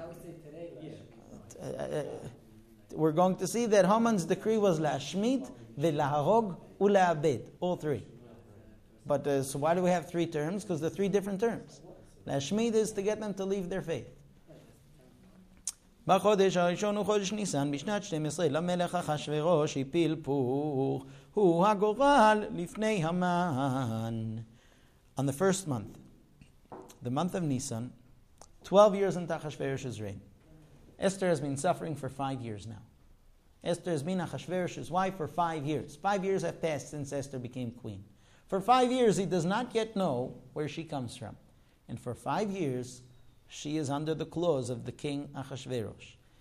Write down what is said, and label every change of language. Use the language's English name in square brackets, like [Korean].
[English] I would say today, Lashmid. we're going to see that Haman's decree was Lashmit, Velaharog, Ulaabed, all three. But so why do we have three terms? Because they're three different terms. Lashmit is to get them to leave their faith. [Hebrew] בחודש הראשון הוא חודש ניסן בשנת 12 למלך אחשוורוש הפיל פור הוא הגורל לפני המן. [English] On the first month, the month of Nisan, 12 years into Achashverosh's reign, Esther has been suffering for 5 years now. Esther has been Achashverosh's wife for 5 years. 5 years have passed since Esther became queen. For 5 years, he does not yet know where she comes from. And for 5 years, she is under the claws of the king Achashverosh.